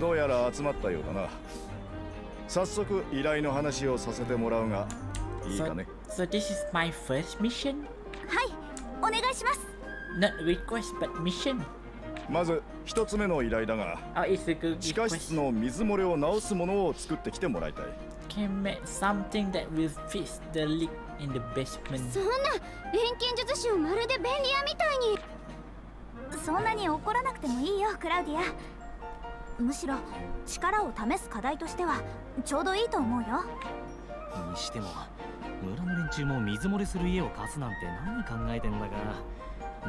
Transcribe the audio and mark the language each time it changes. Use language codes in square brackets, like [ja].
[ja] どうやら集まったようだな。早速依頼の話をさせてもらうがいいかね。 [en] So this is my first mission? [ja] はい、お願いします。 [en] Not request, but mission. [ja] まず一つ目の依頼だが、地下室の水漏れを直すものを作ってきてもらいたい。 [en] Can make something that will fix the leak in the basement. [ja] そんな錬金術師をまるで便利屋みたいに。そんなに怒らなくてもいいよクラウディア。むしろ力を試す課題としてはちょうどいいと思うよ。にしても村の連中も水漏れする家を貸すなんて何考えてんだか。